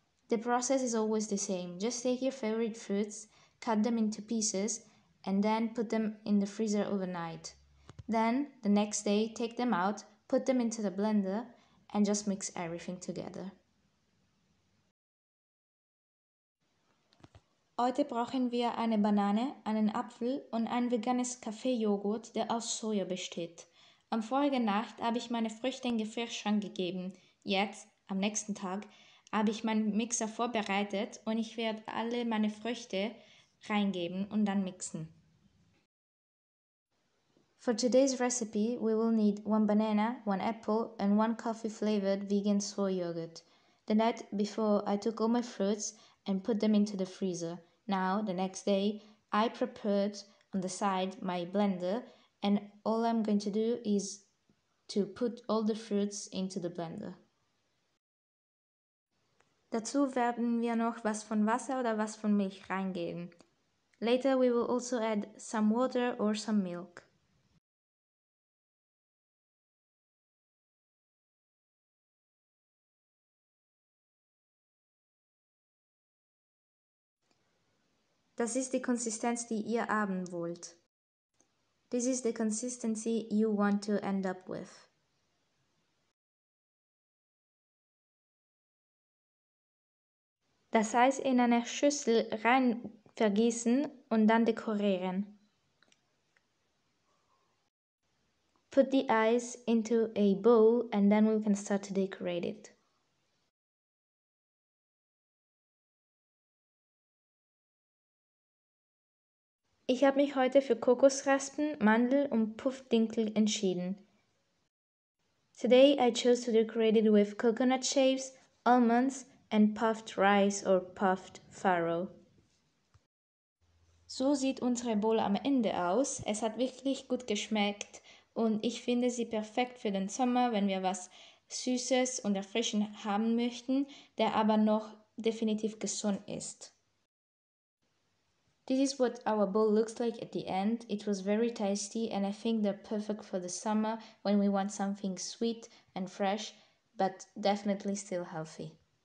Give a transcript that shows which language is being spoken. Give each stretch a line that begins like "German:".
English: The process is always the same. Just take your favorite fruits, cut them into pieces, and then put them in the freezer overnight. Then, the next day, take them out, put them into the blender, and just mix everything together.
German: Heute brauchen wir eine Banane, einen Apfel und ein veganes Kaffeejoghurt, der aus Soja besteht. Am vorigen Nacht habe ich meine Früchte in den Gefrierschrank gegeben. Jetzt, am nächsten Tag, habe ich meinen Mixer vorbereitet und ich werde alle meine Früchte reingeben und dann mixen.
English: For today's recipe, we will need one banana, one apple and one coffee flavored vegan soy yogurt. The night before, I took all my fruits and put them into the freezer. Now, the next day, I prepared on the side my blender and all I'm going to do is to put all the fruits into the blender.
German: Dazu werden wir noch was von Wasser oder was von Milch reingeben.
English: Later we will also add some water or some milk.
German: Das ist die Konsistenz, die ihr haben wollt.
English: This is the consistency you want to end up with.
German: Das Eis in eine Schüssel rein vergießen und dann dekorieren.
English: Put the ice into a bowl and then we can start to decorate it.
German: Ich habe mich heute für Kokosraspen, Mandel und Puffdinkel entschieden.
English: Today I chose to decorate it with coconut shapes, almonds and puffed rice or puffed farro.
German: So sieht unsere Bowl am Ende aus. Es hat wirklich gut geschmeckt und ich finde sie perfekt für den Sommer, wenn wir was Süßes und Erfrischendes haben möchten, der aber noch definitiv gesund ist.
English: This is what our bowl looks like at the end. It was very tasty and I think they're perfect for the summer when we want something sweet and fresh, but definitely still healthy.